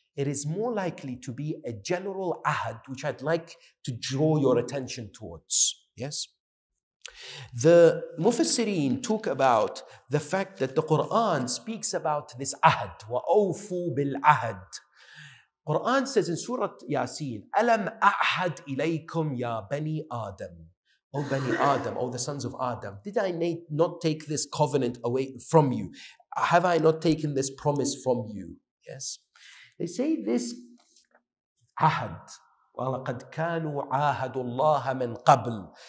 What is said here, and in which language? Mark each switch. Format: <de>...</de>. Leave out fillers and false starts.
<en>It is more likely to be a general ahad, which I'd like to draw your attention towards. Yes? The Mufassireen talk about the fact that the Quran speaks about this ahad,</en> <ar>وَأَوْفُوا بِالْعَهَدِ.</ar> <en>Quran says in Surah Yasin,</en> <ar>أَلَمْ أَعْهَدْ إِلَيْكُمْ يَا بَنِي آدَمُ.</ar> <en>O Bani Adam, O the sons of Adam, did I not take this covenant away from you? Have I not taken this promise from you? Yes. They say this ahad.</en> <ar>وَلَقَدْ كَانُوا عَاهَدُ اللَّهَ مِنْ قَبْلُ.</ar>